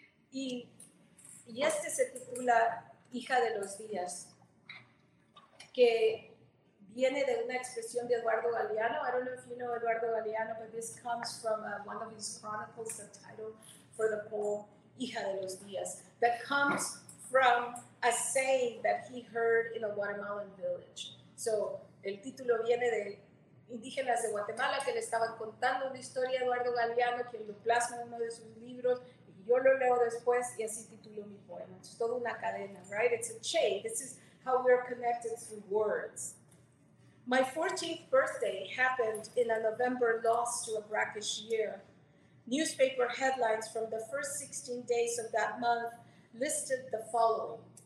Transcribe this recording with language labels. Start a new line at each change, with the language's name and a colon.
Spanish: Y este se titula Hija de los Días, que viene de una expresión de Eduardo Galeano.
English: I don't know if you know Eduardo Galeano, but this comes from one of his chronicles, the title for the poem, Hija de los Días, that comes from a saying that he heard in a Guatemalan village.
Spanish: So, el título viene de indígenas de Guatemala que le estaban contando una historia a Eduardo Galeano, quien lo plasma en uno de sus libros. Yo lo leo después y así titulo mi poema. Es toda una cadena,
English: right? It's a chain. This is how we are connected through words. My 14th birthday happened in a November lost to a brackish year. Newspaper headlines from the first 16 days of that month listed the following.